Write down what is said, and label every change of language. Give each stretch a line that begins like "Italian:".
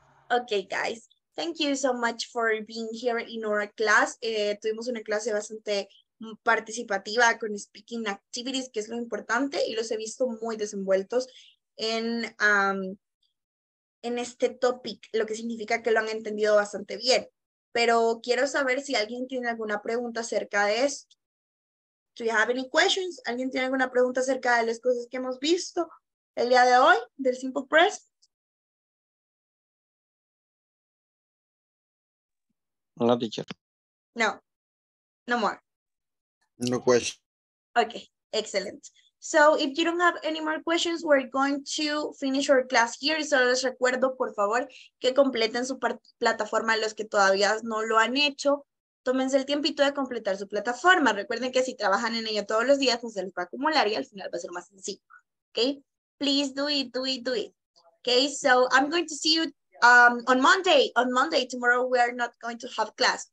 English: Okay, guys, thank you so much for being here in our class.
Spanish: Tuvimos una clase bastante participativa con speaking activities, que es lo importante, y los he visto muy desenvueltos en este topic, lo que significa que lo han entendido bastante bien. Pero quiero saber si alguien tiene alguna pregunta acerca de esto. Do you have any questions? ¿Alguien tiene alguna pregunta acerca de las cosas que hemos visto el día de hoy, del Simple Present?
English: No, teacher. No. No more. No question. Okay, excellent. So if you don't have any more questions, we're going to finish our class here.
Spanish: Y solo les recuerdo, por favor, que completen su plataforma los que todavía no lo han hecho. Tómense el tiempito de completar su plataforma. Recuerden que si trabajan en ella todos los días, no se les va a acumular y al final va a ser más sencillo.
English: Okay? Please do it. Okay? So I'm going to see you on Monday. On Monday, tomorrow, we are not going to have class.